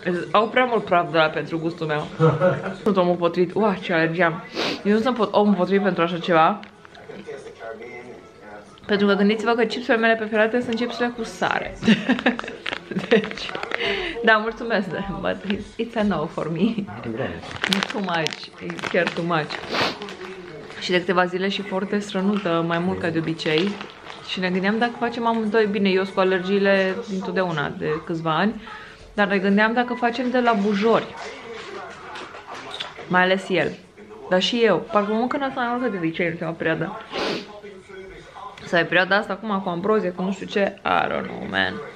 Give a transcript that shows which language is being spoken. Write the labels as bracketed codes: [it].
[ro] Au prea mult praf de la pentru gustul meu. Sunt omul potrivit. Ua, ce alergie am. Eu nu sunt omul potrivit pentru așa ceva. Pentru că gândiți-vă că chipsurile mele preferate sunt chipsurile cu sare. Deci, da, mulțumesc, [en] but it's a no for me. Too much, it's chiar too much. [ro] Și de câteva zile și foarte strănută, mai mult ca de obicei. Și ne gândeam dacă facem amândoi, bine, eu cu alergiile dintotdeauna de câțiva ani, dar ne gândeam dacă facem de la bujori. Mai ales el. Dar și eu. Parcă mă mâncă nața mai multă de obicei în ultima perioadă. Sau e perioada asta acum cu ambrozie, cu nu știu ce. [en] I don't know, man.